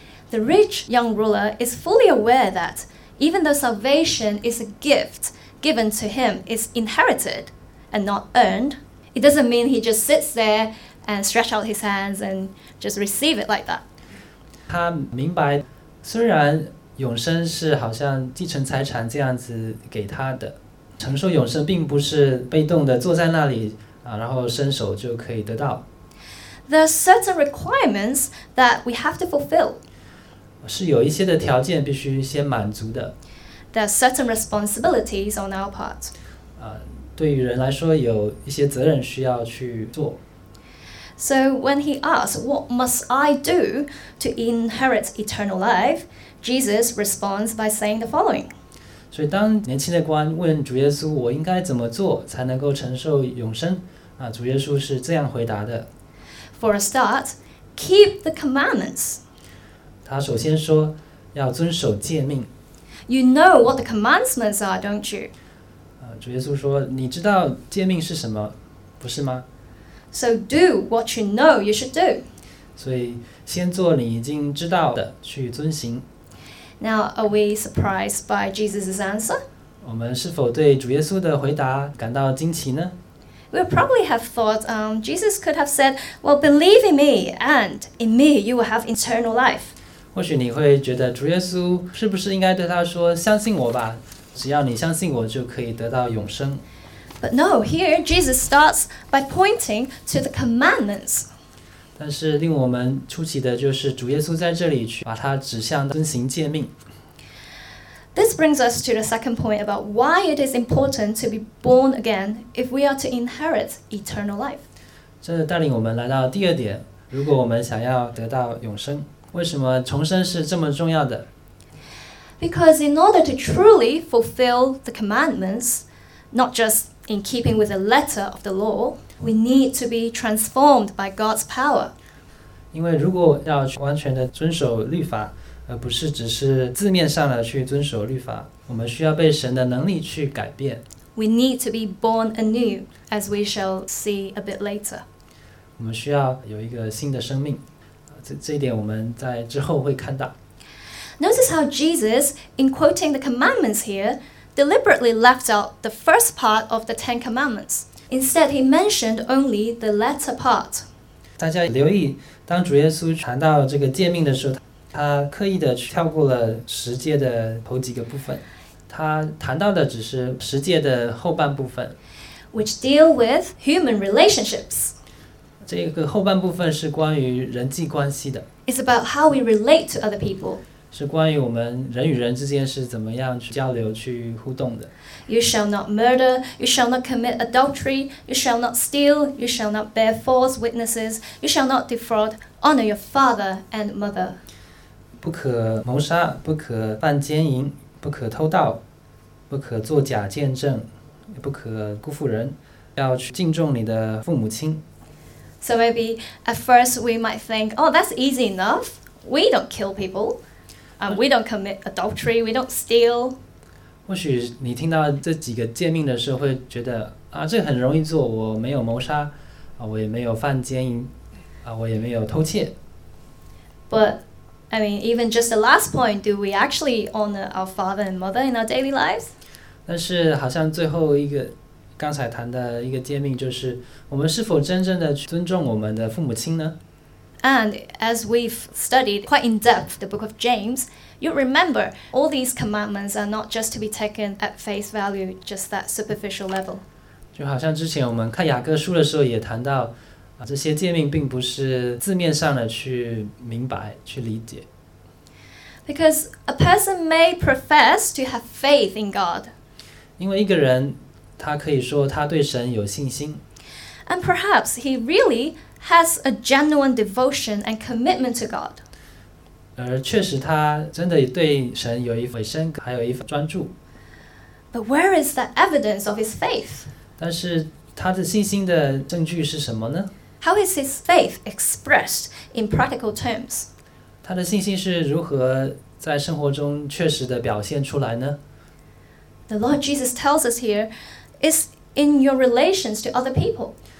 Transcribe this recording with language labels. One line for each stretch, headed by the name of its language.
English: The rich young ruler is fully aware that even though salvation is a gift given to him, it's inherited and not earned. It doesn't mean he just sits there and stretch out his hands and just receive it like that.
Chinese: 他明白，虽然永生是好像继承财产这样子给他的，承受永生并不是被动的坐在那里啊，然后伸手就可以得到。
English: There are certain requirements that we have to fulfill.
Chinese: 是有一些的条件必须先满足的。
English: There are certain responsibilities on our part.
Chinese: 对于人来说有一些责任需要去做。
English: So when he asks, "What must I do to inherit eternal life?" Jesus responds by saying the following.
Chinese: 所以当年轻的官问主耶稣，我应该怎么做才能够承受永生？主耶稣是这样回答的。
English: For a start, keep the commandments.
Chinese: 他首先说要遵守诫命。
English: You know what the commandments are, don't you?
Chinese: 主耶稣说，你知道诫命是什么，不是吗？
English: So do what you know you should do.
Chinese: 所以先做你已经知道的，去遵行。
English: Now, are we surprised by Jesus' answer?
Chinese: 我们是否对主耶稣的回答感到惊奇呢？
English: We probably have thought, Jesus could have said, "Well, believe in me, and in me you will have eternal life."
Chinese: 或许你会觉得主耶稣是不是应该对他说，相信我吧，只要你相信我就可以得到永生。
English: But no, here Jesus starts by pointing to the commandments.
Chinese: 但是令我们出奇的就是主耶稣在这里去把它指向遵行诫命。
English: This brings us to the second point about why it is important to be born again if we are to inherit eternal life.
Chinese: 这带领我们来到第二点，如果我们想要得到永生，为什么重生是这么重要的？
English: Because in order to truly fulfill the commandments, not justIn keeping with the letter of the law, we need to be transformed by God's power.
Chinese: 因为如果要完全的遵守律法，而不是只是字面上的去遵守律法，我们需要被神的能力去改变。
English: We need to be born anew, as we shall see a bit later.
Chinese: 我们需要有一个新的生命，这一点我们在之后会看到。
English: Notice how Jesus, in quoting the commandments here,deliberately left out the first part of the Ten Commandments. Instead, he mentioned only the latter part.
Chinese: 大家留意，当主耶稣谈到这个诫命的时候，他刻意的跳过了十诫的头几个部分。他谈到的只是十诫的后半部分。
English: Which deal with human relationships.
Chinese: 这个后半部分是关于人际关系的。
English: It's about how we relate to other people.
Chinese: 是关于我们人与人之间是怎么样去交流、去互动的。
English: You shall not murder, you shall not commit adultery, you shall not steal, you shall not bear false witnesses, you shall not defraud, honor your father and mother.
Chinese: 不可谋杀，不可犯奸淫，不可偷盗，不可作假见证，也不可辜负人，要去敬重你的父母亲。
English: So maybe at first we might think, oh, that's easy enough. We don't kill people. We don't commit adultery, we don't steal.
Chinese: 或许你听到这几个诫命的时候会觉得，这很容易做，我没有谋杀，我也没有犯奸淫，我也没有偷窃。
English: But, I mean, even just the last point, do we actually honor our father and mother in our daily lives?
Chinese: 但是好像最后一个，刚才谈的一个诫命就是，我们是否真正的尊重我们的父母亲呢？
English: And as we've studied quite in depth the book of James, you'll remember all these commandments are not just to be taken at face value, just that superficial level.
Chinese: 就好像之前我们看雅各书的时候也谈到，这些诫命并不是字面上的去明白，去理解。
English: Because a person may profess to have faith in God.
Chinese: 因为一个人他可以说他对神有信心。
English: And perhaps he really... has a genuine devotion and commitment to God.
Chinese: 而确实他真的对神有一份委身，还有一份专注。
English: But where is that evidence of his faith?
Chinese: 但是他的信心的证据是什么呢？
English: How is his faith expressed in practical terms?
Chinese: 他的信心是如何在生活中确实的表现出来呢？
English: The Lord Jesus tells us here, it's in your relations to other people.